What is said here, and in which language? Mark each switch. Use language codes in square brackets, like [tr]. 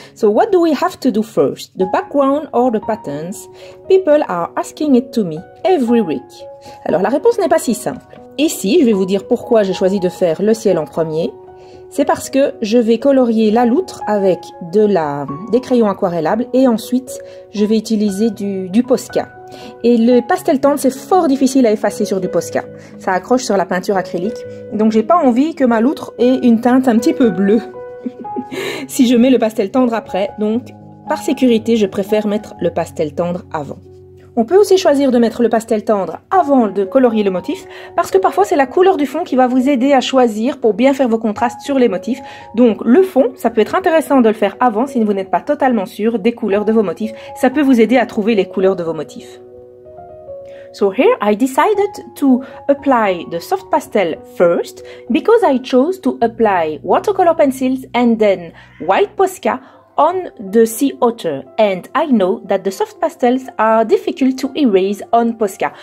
[en] So what do we have to do first, the background or the patterns? People are asking it to me every week. [fr] Alors, la réponse n'est pas si simple. Ici, je vais vous dire pourquoi j'ai choisi de faire le ciel en premier. C'est parce que je vais colorier la loutre avec des crayons aquarellables et ensuite, je vais utiliser du Posca. Et le pastel tendre, c'est fort difficile à effacer sur du Posca. Ça accroche sur la peinture acrylique. Donc, j'ai pas envie que ma loutre ait une teinte un petit peu bleue si je mets le pastel tendre après. Donc, par sécurité, je préfère mettre le pastel tendre avant. On peut aussi choisir de mettre le pastel tendre avant de colorier le motif parce que parfois c'est la couleur du fond qui va vous aider à choisir pour bien faire vos contrastes sur les motifs. Donc le fond, ça peut être intéressant de le faire avant si vous n'êtes pas totalement sûr des couleurs de vos motifs. Ça peut vous aider à trouver les couleurs de vos motifs. [en] So here I decided to apply the soft pastel first because I chose to apply watercolor pencils and then white Posca on the sea otter, and I know that the soft pastels are difficult to erase on Posca.